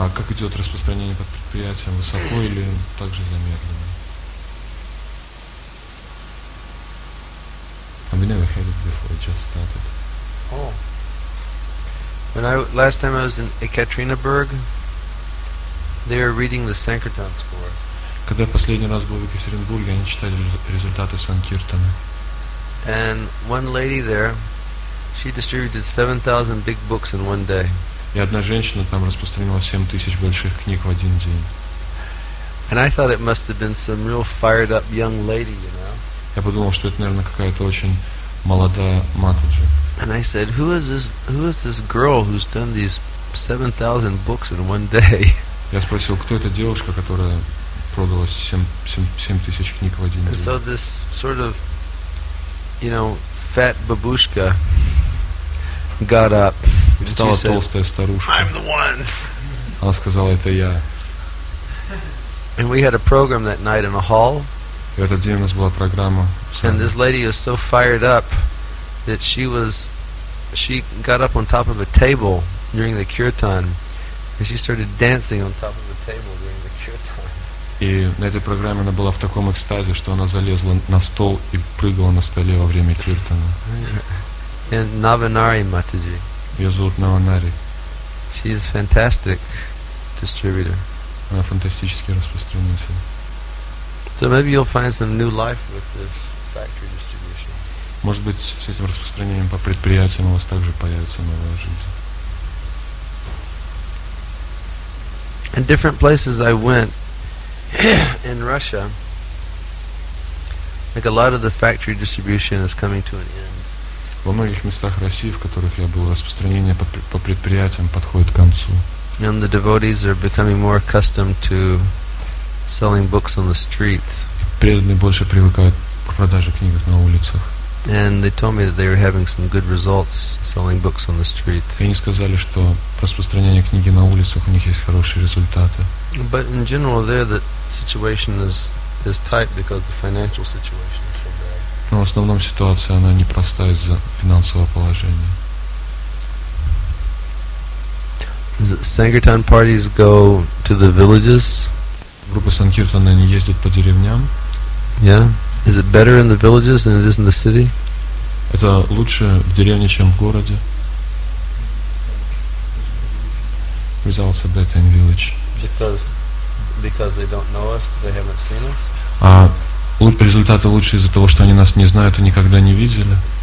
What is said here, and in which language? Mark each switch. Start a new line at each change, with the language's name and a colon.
Russian: А как идет распространение под предприятием, высоко или также замедленно?
English: And we never had it before, it just started. Oh. When I last time I was in Ekaterinburg, they were reading the Sankirtan score.
Russian: Когда последний раз был в Екатеринбурге, они читали результаты Санкиртана.
English: And one lady there, she distributed 7,000 big books in one day.
Russian: И одна женщина там распространила 7,000 больших книг в один день.
English: And I thought it must have been some real fired up young lady, you know.
Russian: Я подумал, что это, наверное, какая-то очень молодая матаджи.
English: And I said, who is this girl who's done these 7,000 books in one day?
Russian: Я спросил, кто эта девушка, которая продала 7,000 книг в один день?
English: And so this sort of, you know, fat babushka got up.
Russian: И встала толстая старушка.
English: I'm the one.
Russian: Она сказала, это я.
English: And we had a program that night in a hall.
Russian: И в этот день у нас была программа.
English: And this lady was so fired up that she got up on top of a table during the kirtan, and she started dancing on top of the table during the kirtan.
Russian: И на этой программе она была в таком экстазе, что она залезла на стол и прыгала на столе во время киртана.
English: And Navanari Mataji.
Russian: Ее зовут Navanari.
English: She is fantastic distributor.
Russian: Она фантастический распространитель.
English: So maybe you'll find some new life with this factory.
Russian: Может быть, с этим распространением по предприятиям у вас также появится новая жизнь.
English: In different places I went in Russia, like a lot of the factory distribution is coming to an end.
Russian: Во многих местах России, в которых я был, распространение по предприятиям подходит к концу.
English: And the devotees are becoming more accustomed to selling books on the street.
Russian: Преданные больше привыкают к продаже книг на улицах.
English: And they told me that they were having some good results selling books on the street.
Russian: И они сказали, что распространение книги на улицах у них есть хорошие результаты.
English: But in general, there the situation is tight because the financial situation is so bad.
Russian: Но в основном ситуация она непростая из-за финансового положения.
English: Sankirtan parties go to the villages.
Russian: Группы Санкиртана они ездят по деревням.
English: Yeah. Is it better in the villages than it is in the city?
Russian: Это лучше в деревне, чем в городе.
English: Results are better in village. Because they don't know us, they haven't seen us.
Russian: А результаты лучше из-за того, что они нас не знают и никогда не видели.